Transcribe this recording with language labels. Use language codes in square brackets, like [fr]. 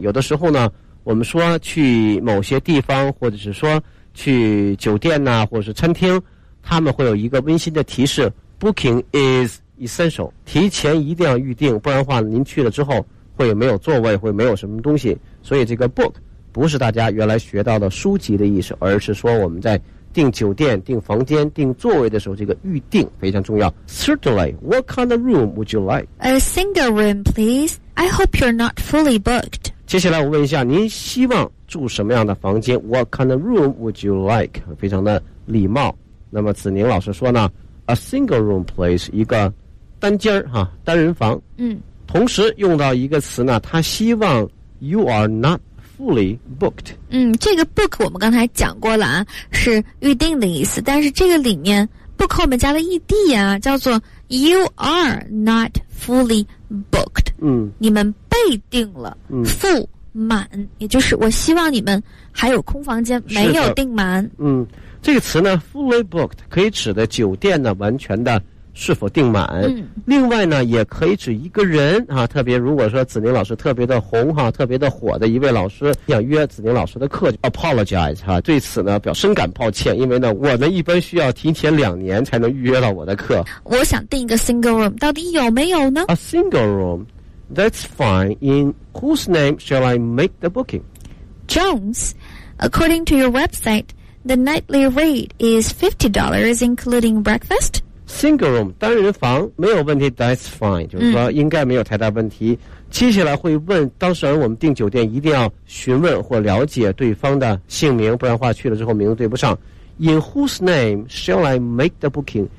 [zh] 有的时候呢我们说去某些地方或者是说去酒店呐、或者是餐厅，他们会有一个温馨的提示 [en] booking is essential， [zh] 提前一定要预定，不然的话您去了之后会没有座位，会没有什么东西。所以这个 book不是大家原来学到的书籍的意思，而是说我们在订酒店、订房间、订座位的时候，这个预订非常重要。 [en] Certainly, what kind of room would you like? A single room, please. I hope you're not fully booked. [zh] 接下来我问一下，您希望住什么样的房间？ [en] What kind of room would you like? [zh] 非常的礼貌。那么子宁老师说呢， [en] A single room, please. [zh] 一个单间哈，单人房。嗯。同时用到一个词呢，他希望 [en] you are not fully booked. [zh] 嗯，这个 book 我们刚才讲过了啊，是预定的意思。但是这个里面 book 后面加了 ed 啊，叫做 [en] you are not fully booked. 嗯， [zh] 你们被定了，嗯，付满，也就是我希望你们还有空房间，没有订满。嗯，这个词呢 ，fully booked 可以指的酒店呢完全的是否订满。嗯，另外呢，也可以指一个人啊，特别如果说子宁老师特别的红哈，特别的火的一位老师想约子宁老师的课 ，apologize 哈，对此呢表深感抱歉，因为呢我呢一般需要提前两年才能预约到我的课。我想订一个 single room， 到底有没有呢 [en] ？A single room。 That's fine. In whose name shall I make the booking? Jones, according to your website, the nightly rate is $50, including breakfast. Single room, [zh] 单人房，没有问题。 [en] That's fine. [zh] 就是说，应该没有太大问题。接下来会问，当事人，我们订酒店一定要询问或了解对方的姓名，不然话去了之后名字对不上。 [en] In whose name shall I make the booking?